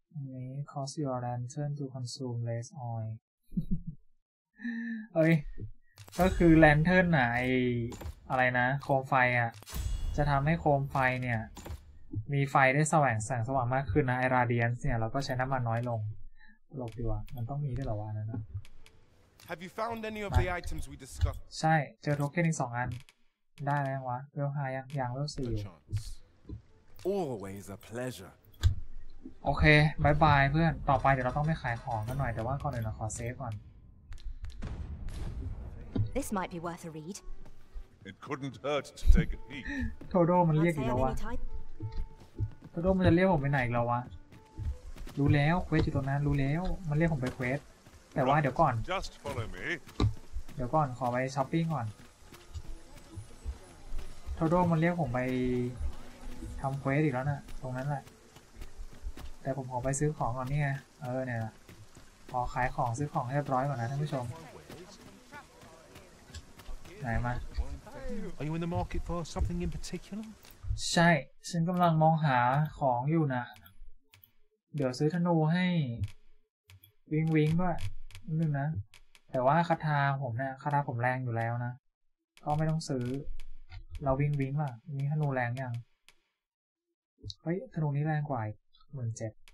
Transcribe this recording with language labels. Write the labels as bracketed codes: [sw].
[th] นี้ [en] cause your lantern to consume less oil [th] เอ้ยก็คือ lantern น่ะไออะไรนะโคมไฟอ่ะจะทำให้โคมไฟเนี่ยมีไฟได้แสงสว่างมากขึ้นนะไอ radiance เนี่ยเราก็ใช้น้ำมันน้อยลงตลกดีว่ะมันต้องมีด้วยเหรอวะนั่นนะ [en] Have you found any of the items we discussed [th] ใช่เจอโทเค็นอีก2อันได้แล้ววะเวลหายังยังเวล4 [en] Always a pleasure [th] โอเคบายบายเพื่อนต่อไปเดี๋ยวเราต้องไปขายของกันหน่อยแต่ว่าก่อนอื่นเราขอเซฟก่อน [en] This might be worth a read It couldn't hurt to take a peek [th] โทโดมันเรียกอีกแล้ววะโทโดมันจะเรียกผมไปไหนอีกแล้ววะรู้แล้วเควสอยู่ตรงนั้นรู้แล้วมันเรียกผมไปเควสแต่ว่าเดี๋ยวก่อน [en] Just follow me [th] เดี๋ยวก่อนขอไปช้อปปิ้งก่อนโทโดมันเรียกผมไปทำเควสอีกแล้วน่ะตรงนั้นแหละแต่ผมขอไปซื้อของก่อนนี่ไงเออเนี่ยขอขายของซื้อของให้เรียบร้อยก่อนนะท่านผู้ชมไหนมา [en] Are you in the market for something in particular? [th] ใช่ฉันกำลังมองหาของอยู่นะเดี๋ยวซื้อธนูให้วิงวิงด้วยนึงนะแต่ว่าคาถาผมเนี่ยคาถาผมแรงอยู่แล้วนะก็ไม่ต้องซื้อเราวิงวิงว่ะมีธนูแรงยังเฮ้ยธนูนี้แรงกว่าหมื่นเจ็ด